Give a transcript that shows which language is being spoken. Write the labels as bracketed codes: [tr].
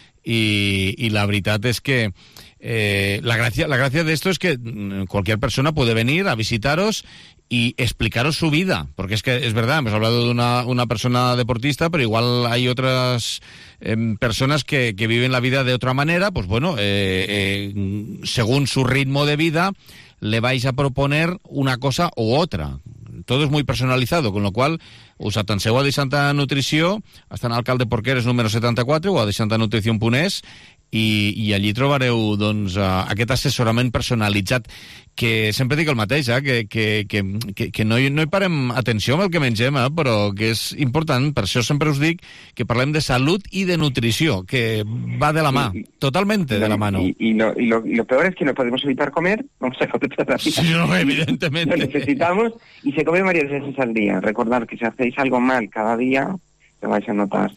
[es] Y la verdad es que la gracia de esto es que cualquier persona puede venir a visitaros y explicaros su vida, porque es que es verdad, hemos hablado de una persona deportista, pero igual hay otras personas que viven la vida de otra manera, pues bueno, según su ritmo de vida le vais a proponer una cosa u otra. Todo es muy personalizado, con lo cual [ca] us atenseu a Di Santa Nutrició, està en Alcalde Porqueres número 74 o a Di Santa Nutrició en Punès, i allí trobareu doncs aquest assessorament personalitzat, que sempre dic el mateix, que no hi parem atenció amb el que mengem, però que és important. Per això sempre us dic que parlem de salut i de nutrició, que va de la mà, [es] totalmente de la mano. Y lo peor es que no podemos evitar comer, vamos a comer toda la vida. Sí, no, evidentemente. Lo necesitamos, y se come varias veces al día. Recordar que si hacéis algo mal cada día, lo vais a notar.